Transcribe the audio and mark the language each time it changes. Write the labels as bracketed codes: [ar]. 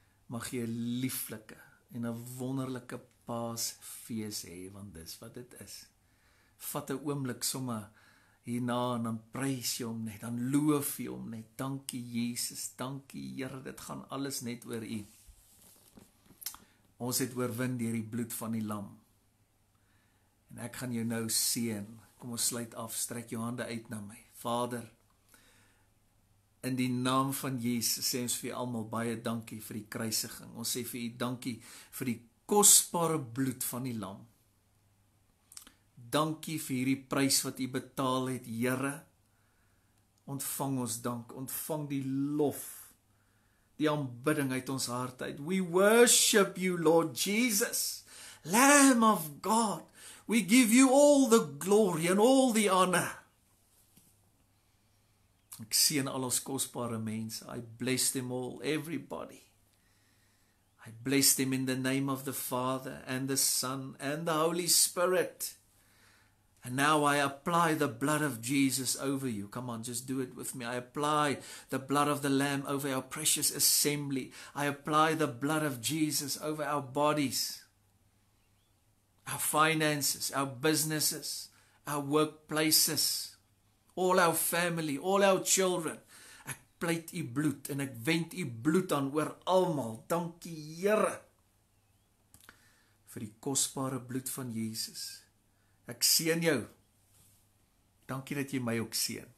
[af] Mag jy 'n lieflike en 'n wonderlike Paasfees hê, want dis wat dit is. Vat 'n oomblik somme hierna en dan prys jy hom net, dan loof jy hom net. Dankie Jesus, dankie Here, dit gaan alles net oor u. Ons het oorwin deur die bloed van die lam. En ek gaan jou nou seën. Kom ons sluit af, strek jou hande uit na my. Vader, in die naam van Jesus, sê ons vir almal baie dankie vir die kruisiging. Ons sê vir u dankie vir die kostbare bloed van die lam. Dankie vir hierdie prys wat u betaal het, Here. Ontvang ons dank, ontvang die lof. Die aanbidding uit ons hart uit. [en] We worship you, Lord Jesus, Lamb of God. We give you all the glory and all the honor. [af] Ek seën al ons kostbare mense. [en] I bless them all, everybody. I bless them in the name of the Father and the Son and the Holy Spirit. And now I apply the blood of Jesus over you. Come on, just do it with me. I apply the blood of the Lamb over our precious assembly. I apply the blood of Jesus over our bodies, our finances, our businesses, our workplaces, all our family, all our children. [af] Ek pleit u bloed en ek wend u bloed aan oor almal. Dankie Here vir die kostbare bloed van Jesus. Ek seën jou. Dankie dat jy my ook seën.